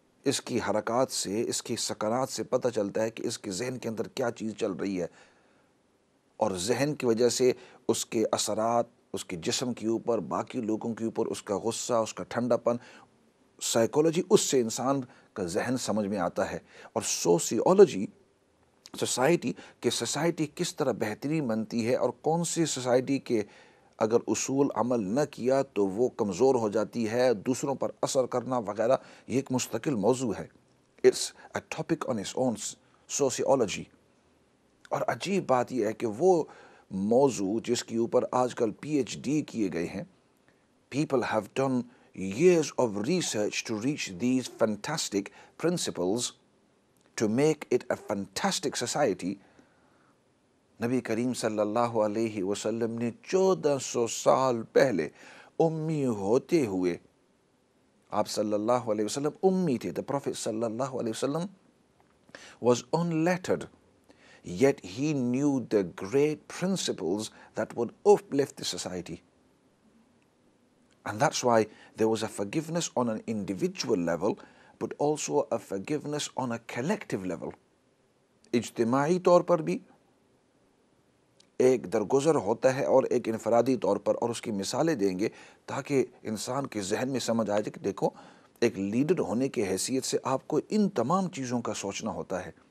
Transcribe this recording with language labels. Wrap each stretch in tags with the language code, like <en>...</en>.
<ur>اس کی حرکات سے، اس کی سکنات سے پتہ چلتا ہے کہ اس کے ذہن کے اندر کیا چیز چل رہی ہے، اور ذہن کی وجہ سے اس کے اثرات اس کے جسم کے اوپر، باقی لوگوں کے اوپر، اس کا غصہ، اس کا ٹھنڈا پن، سائیکولوجی اس سے انسان کا ذہن سمجھ میں آتا ہے. اور سوسیولوجی سوسائٹی کہ سوسائٹی کس طرح بہتری بنتی ہے، اور کون سی سوسائٹی کے اگر اصول عمل نہ کیا تو وہ کمزور ہو جاتی ہے، دوسروں پر اثر کرنا وغیرہ، یہ ایک مستقل موضوع ہے.</ur> <en>It's a topic on its own, sociology.</en> <ur>اور عجیب بات یہ ہے کہ وہ موضوع جس کے اوپر آج کل پی ایچ ڈی کیے گئے ہیں،</ur> <en>People have done years of research to reach these fantastic principles to make it a fantastic society.</en> <ur>نبی کریم صلی اللہ علیہ وسلم نے 1400 سال پہلے امی ہوتے ہوئے، آپ صلی اللہ علیہ وسلم امی تھے،</ur> <en>The prophet صلی اللہ علیہ وسلم was unlettered, yet he knew the great principles that would uplift the society. And that's why there was a forgiveness on an individual level, but also a forgiveness on a collective level.</en> <ur>اجتماعی طور پر بھی ایک درگزر ہوتا ہے، اور ایک انفرادی طور پر، اور اس کی مثالیں دیں گے تاکہ انسان کے ذہن میں سمجھ آئے کہ دیکھو، ایک لیڈر ہونے کی حیثیت سے آپ کو ان تمام چیزوں کا سوچنا ہوتا ہے.</ur>